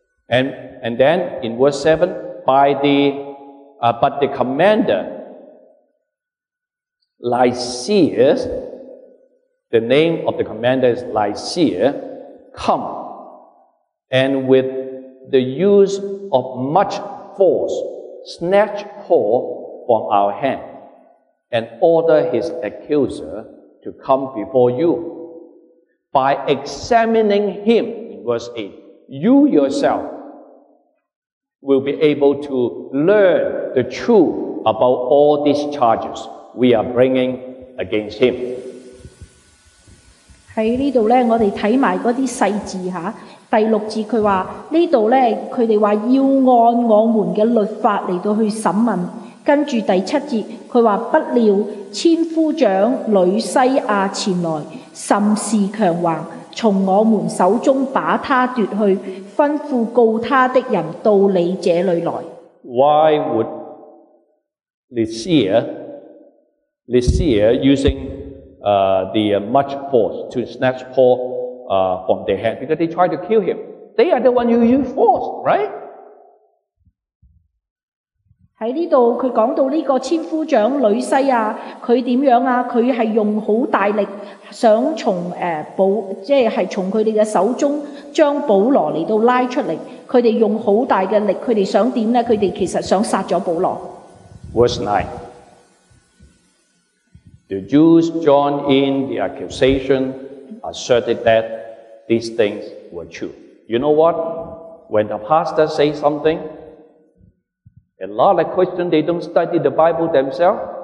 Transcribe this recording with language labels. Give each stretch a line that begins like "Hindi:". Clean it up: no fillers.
English: And then in verse 7, but the commander, Lysias, the name of the commander is Lysias, come and with the use of muchforce, snatch Paul from our hand and order his accuser to come before you. By examining him, in verse 8, you yourself will be able to learn the truth about all these charges we are bringing against him.
Chinese: 在这里我们看埋那些细节，第六节他说这里呢，他们说要按我们的律法来到去审问。跟着第七节他说，不料千夫长吕西亚前来，甚是强横，从我们手中把他夺去，吩咐告他的人到你这里来。
English: Why would Lysia using the much force to snatch Paulfrom their hand, because they try to kill him. They are the one who use force, right?
Chinese: 在这里他讲到这个千夫长吕西亚，他怎样啊？他是用很大力想从从他们的手中将保罗来到拉出来。他们用很大的力，他们想怎样呢？他们其实想杀了保罗。
English: Verse 9. The Jews joined in the accusationasserted that these things were true. You know what? When the pastor says something, a lot of Christians, they don't study the Bible themselves.